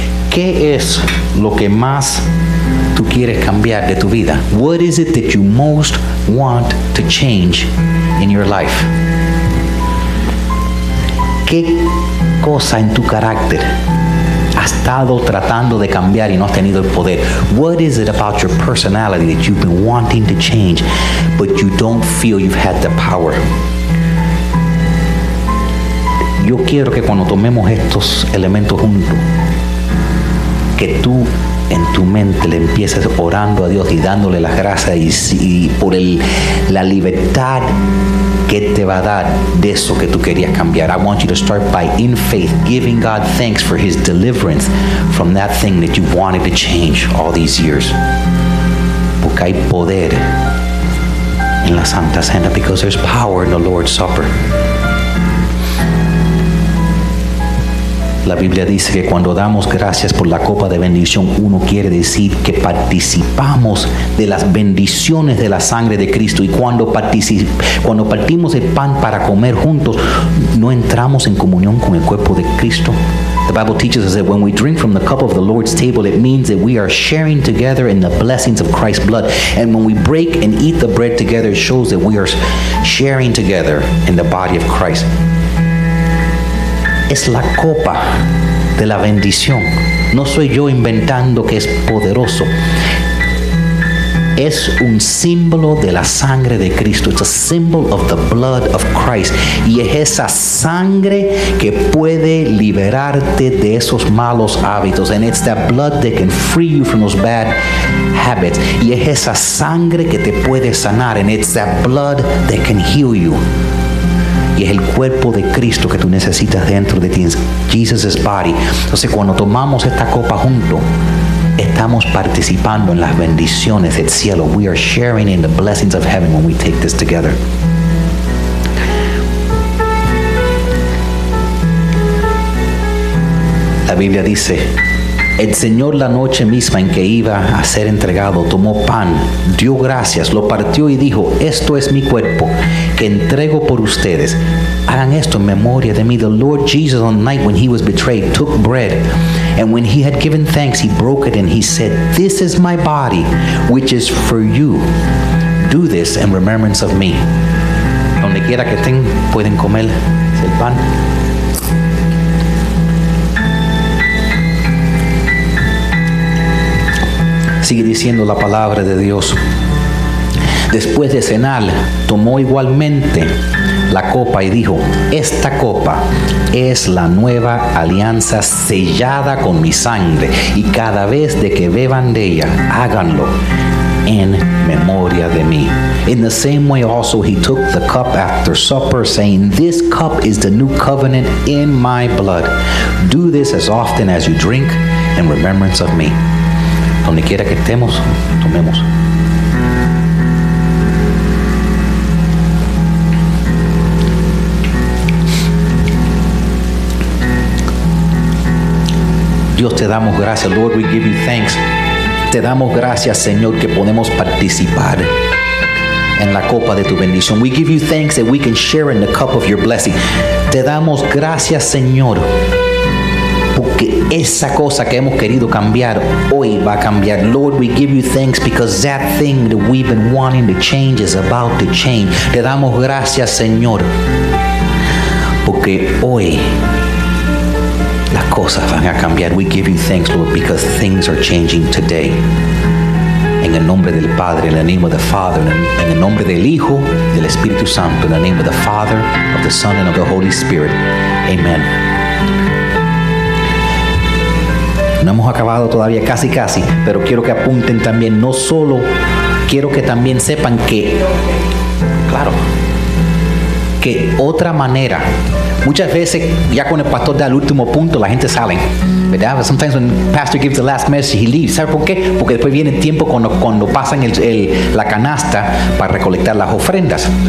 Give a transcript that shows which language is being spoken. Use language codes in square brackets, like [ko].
[es] ¿Qué es lo que más tú quieres cambiar de tu vida? [en] What is it that you most want to change in your life? [es] ¿Qué cosa en tu carácter has estado tratando de cambiar y no has tenido el poder? [en] What is it about your personality that you've been wanting to change, but you don't feel you've had the power? [es] Yo quiero que cuando tomemos estos elementos juntos, que tú en tu mente le empieces orando a Dios y dándole las gracias y por la libertad que te va a dar de eso que tú querías cambiar. [en] I want you to start by, in faith, giving God thanks for his deliverance from that thing that you wanted to change all these years. [es] Porque hay poder en la Santa Cena, [en] because there's power in the Lord's Supper. [es] La Biblia dice que cuando damos gracias por la copa de bendición, uno quiere decir que participamos de las bendiciones de la sangre de Cristo. Y cuando partimos el pan para comer juntos, no entramos en comunión con el cuerpo de Cristo. [en] The Bible teaches us that when we drink from the cup of the Lord's table, it means that we are sharing together in the blessings of Christ's blood. And when we break and eat the bread together, it shows that we are sharing together in the body of Christ. [es] Es la copa de la bendición. No soy yo inventando que es poderoso. Es un símbolo de la sangre de Cristo. [en] It's a symbol of the blood of Christ. [es] Y es esa sangre que puede liberarte de esos malos hábitos. [en] And it's that blood that can free you from those bad habits. [es] Y es esa sangre que te puede sanar. [en] And it's that blood that can heal you. [es] Y es el cuerpo de Cristo que tú necesitas dentro de ti. [en] Jesus' body. [es] Entonces, cuando tomamos esta copa junto, estamos participando en las bendiciones del cielo. [en] We are sharing in the blessings of heaven when we take this together. [es] La Biblia dice, el Señor la noche misma en que iba a ser entregado, tomó pan, dio gracias, lo partió y dijo, esto es mi cuerpo que entrego por ustedes. Hagan esto en memoria de mí. [en] The Lord Jesus, on the night when he was betrayed, took bread. And when he had given thanks, he broke it and he said, this is my body, which is for you. Do this in remembrance of me. [es] Donde quiera que estén, pueden comer el pan. Sigue diciendo la palabra de Dios. Después de cenar, tomó igualmente la copa y dijo, esta copa es la nueva alianza sellada con mi sangre, y cada vez de que beban de ella, háganlo en memoria de mí. [en] In the same way also he took the cup after supper, saying, this cup is the new covenant in my blood. Do this as often as you drink in remembrance of me. [es] Donde quiera que estemos, tomemos. Dios, te damos gracias. [en] Lord, we give you thanks. [es] Te damos gracias, Señor, que podemos participar en la copa de tu bendición. [en] We give you thanks that we can share in the cup of your blessing. [es] Te damos gracias, Señor, porque esa cosa que hemos querido cambiar hoy va a cambiar. [en] Lord, we give you thanks because that thing that we've been wanting to change is about to change. [es] Te damos gracias, Señor, porque hoy cosas van a cambiar. [en] We give you thanks, Lord, because things are changing today. [es] En el nombre del Padre, [en] in the name of the Father, [es] en el nombre del Hijo, del Espíritu Santo, [en] in the name of the Father, of the Son, and of the Holy Spirit. Amen. [es] No hemos acabado todavía, casi casi, pero quiero que apunten también, no solo, quiero que también sepan que, claro, que otra manera, muchas veces ya con el pastor da el último punto, la gente sale, ¿verdad? [en] But sometimes when pastor gives the last message, he leaves. [es] ¿Sabe por qué? Porque después viene el tiempo cuando pasan la canasta para recolectar las ofrendas.